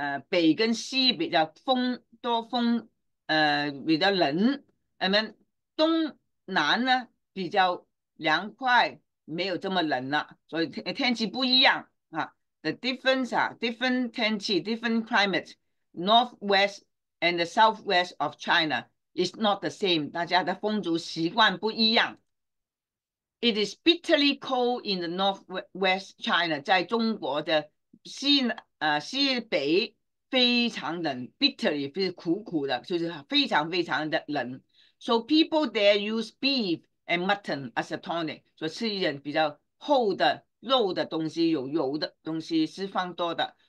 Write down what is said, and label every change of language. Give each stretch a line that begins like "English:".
Chinese: 北跟西比较多风，比较冷。那么东南呢比较凉快，没有这么冷了，所以天气不一样啊。
English: The difference 啊，different 天气，different climate。 Northwest and the southwest of China is not the same。
Chinese: 大家的风俗习惯不一样。
English: It is bitterly cold in the northwest China，
Chinese: 在中国的西南。西北非常冷，bitter 也是苦苦的，就是非常非常的冷。
English: So people there use beef and mutton as a tonic，
Chinese: 说吃一点比较厚的肉的东西，有油的东西，脂肪多的。